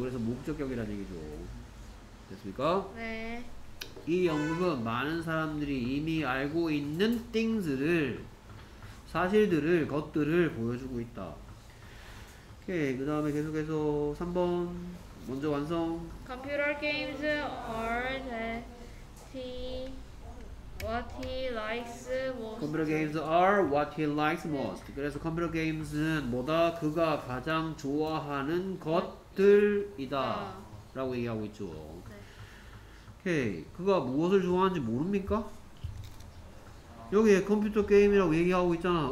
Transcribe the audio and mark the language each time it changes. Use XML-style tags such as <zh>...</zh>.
<ko>그래서 목적격이라는 얘기죠. 됐습니까? 네. 이 연극은 많은 사람들이 이미 알고 있는 things를 사실들을 것들을 보여주고 있다. 오케이, 그 다음에 계속해서 3번 먼저 완성.</ko> <en>Computer games are that he what he likes most. Computer games are what he likes most.</en> <ko>그래서 컴퓨터 게임즈는 뭐다? 그가 가장 좋아하는 것들이다 라고 얘기하고 있죠. 오케이, 그가 무엇을 좋아하는지 모릅니까? 여기에 컴퓨터 게임이라고 얘기하고 있잖아.</ko>